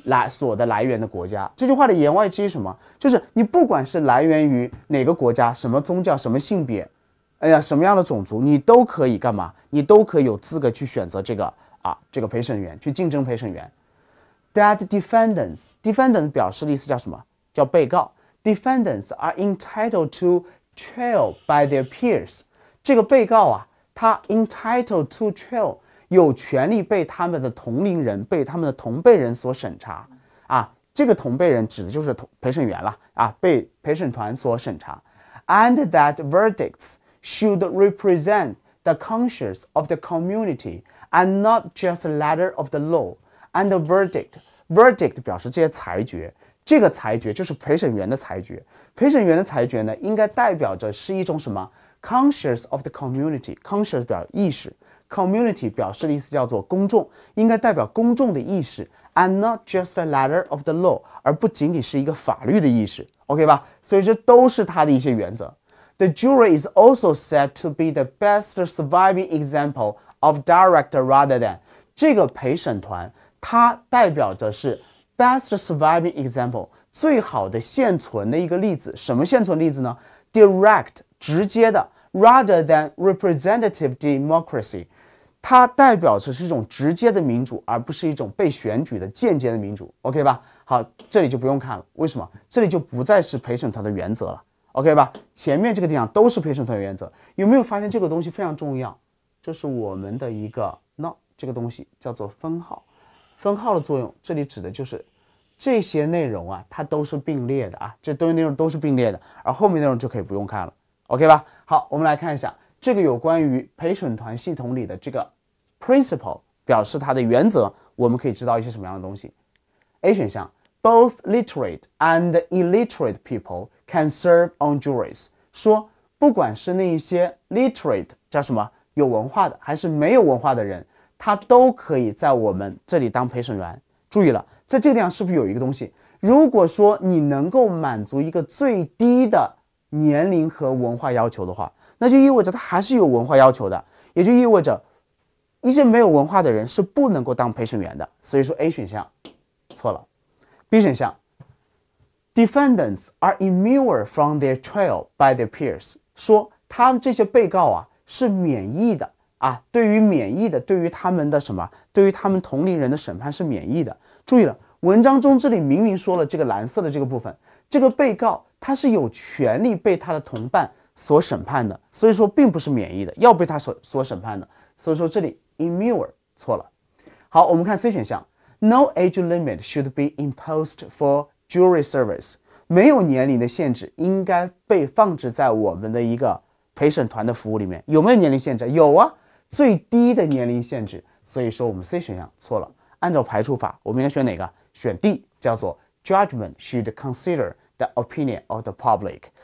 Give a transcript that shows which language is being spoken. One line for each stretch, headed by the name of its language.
Chinese: 所的来源的国家，这句话的言外之意是什么？就是你不管是来源于哪个国家，什么宗教，什么性别，哎呀，什么样的种族，你都可以干嘛？你都可以有资格去选择这个陪审员，去竞争陪审员。
English: that defendants, defendants
Chinese: 表示的意思叫什么？叫被告。
English: Defendants are entitled to trial by their peers.
Chinese: 这个被告啊，他
English: entitled to trial，
Chinese: 有权利被他们的同龄人，被他们的同辈人所审查。啊，这个同辈人指的就是陪审员了啊，被陪审团所审查。
English: And that verdicts should represent the conscience of the community and not just a letter of the law. And the verdict, verdict
Chinese: 表示这些裁决，这个裁决就是陪审员的裁决。陪审员的裁决呢，应该代表着是一种什么
English: conscience of the community.
Chinese: Conscience 表意识， community 表示的意思叫做公众，应该代表公众的意识。
English: And not just a letter of the law，
Chinese: 而不仅仅是一个法律的意识。 OK 吧，所以这都是他的一些原则。
English: The jury is also said to be the best surviving example of director rather than.
Chinese: 这个陪审团它代表着是
English: best surviving example，
Chinese: 最好的现存的一个例子。什么现存例子呢？Direct， 直接的，
English: rather than representative democracy，
Chinese: 它代表着是一种直接的民主，而不是一种被选举的间接的民主。 OK 吧，好，这里就不用看了。为什么？这里就不再是陪审团的原则了。 OK 吧，前面这个地方都是陪审团原则。有没有发现这个东西非常重要？这是我们的一个 not， 这个东西叫做分号。分号的作用，这里指的就是这些内容啊，它都是并列的啊，这东西内容都是并列的，而后面内容就可以不用看了。 OK 吧，好，我们来看一下这个有关于陪审团系统里的这个 principle， 表示它的原则，我们可以知道一些什么样的东西。
English: A 选项，Both literate and illiterate people can serve on juries.
Chinese: 说不管是那一些 literate 叫什么有文化的还是没有文化的人，他都可以在我们这里当陪审员。注意了，在这个地方是不是有一个东西，如果说你能够满足一个最低的年龄和文化要求的话，那就意味着他还是有文化要求的，也就意味着一些没有文化的人是不能够当陪审员的。所以说 A 选项错了。
English: B 选项， defendants are immune from their trial by their peers.
Chinese: 说他们这些被告啊是免疫的啊，对于免疫的，对于他们的什么，对于他们同龄人的审判是免疫的。注意了，文章中这里明明说了这个蓝色的这个部分，这个被告他是有权利被他的同伴所审判的，所以说并不是免疫的，要被他 所审判的。所以说这里 immune 错了。好，我们看 C 选项，
English: No age limit should be imposed for jury service.
Chinese: 没有年龄的限制应该被放置在我们的一个陪审团的服务里面。有没有年龄限制？有啊，最低的年龄限制。所以说我们 C 选项错了。按照排除法，我们应该选哪个？选 D， 叫做
English: Judgment should consider the opinion of the public.